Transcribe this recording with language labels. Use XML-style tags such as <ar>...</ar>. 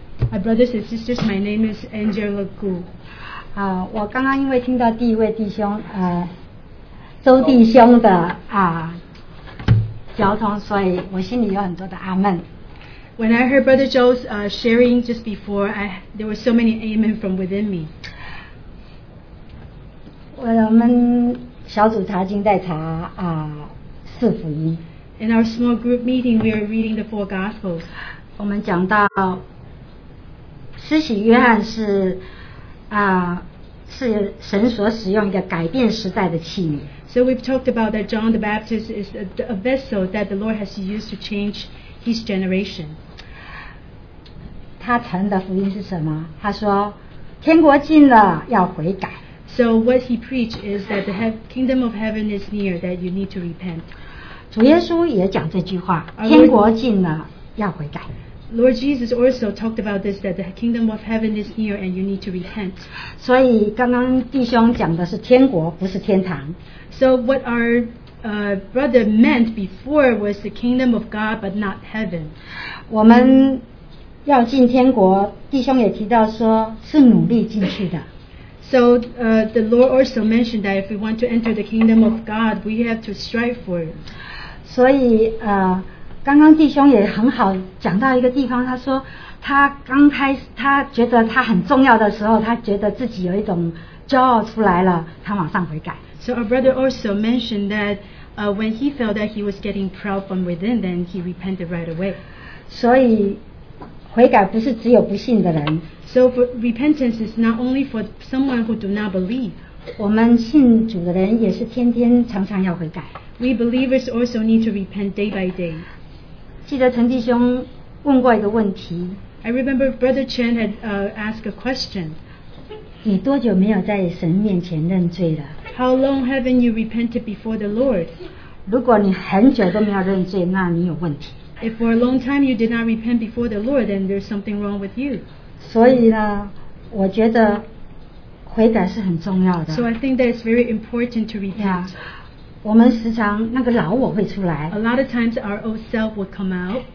<en>My brothers and sisters, my name is Angela Gu.</en> <zh>我刚刚因为听到第一位弟兄周弟兄的交通，所以我心里有很多的阿闷。</zh> <en>When I heard Brother Joe's sharing just before, there were so many amen from within me.</en> <zh>我们小组查经在查四福音。In</zh> <en>our small group meeting, we are reading the four Gospels.</en> <zh>我们讲到施洗约翰是神所使用一个改变时代的器皿。</zh> <en>So we've talked about that John the Baptist is a vessel that the Lord has used to change his generation.</en> <zh>他传的福音是什么?他说, 天国近了, 要悔改。</zh> <en>So what he preached is that the kingdom of heaven is near, that you need to repent.</en> <zh>主耶稣也讲这句话, 天国近了, 要悔改。</zh> <en>Lord Jesus also talked about this, that the kingdom of heaven is near and you need to repent.</en> <zh>所以刚刚弟兄讲的是天国, 不是天堂。</zh> <en>So what our brother meant before was the kingdom of God but not heaven.</en> <zh>我们要进天国, 弟兄也提到说,</zh> <en>so the Lord also mentioned that if we want to enter the kingdom of God, we have to strive for it.</en> <zh>所以, 刚刚弟兄也很好讲到一个地方, 他说, 他刚开始, 他觉得他很重要的时候, 他觉得自己有一种骄傲出来了, 他马上悔改。</zh> <en>So our brother also mentioned that when he felt that he was getting proud from within, then he repented right away.</en> <zh>所以, 悔改不是只有不信的人。</zh> <en>So repentance is not only for someone who do not believe.</en> <zh>我们信主的人也是天天常常要悔改。</zh> <en>We believers also need to repent day by day.</en> <zh>记得陈弟兄问过一个问题,</zh> <en>I remember Brother Chen had asked a question.</en> <zh>你多久没有在神面前认罪了?</zh> <en>How long haven't you repented before the Lord?</en> <zh>如果你很久都没有认罪, 那你有问题。</zh> <en>If for a long time you did not repent before the Lord, then there's something wrong with you.</en> <zh>所以呢, 我觉得悔改是很重要的。</zh> <en>So I think that it's very important to repent. Yeah.</en> <zh>我们时常那个老我会出来,</zh> <en>a lot of times our old self will come out.</en>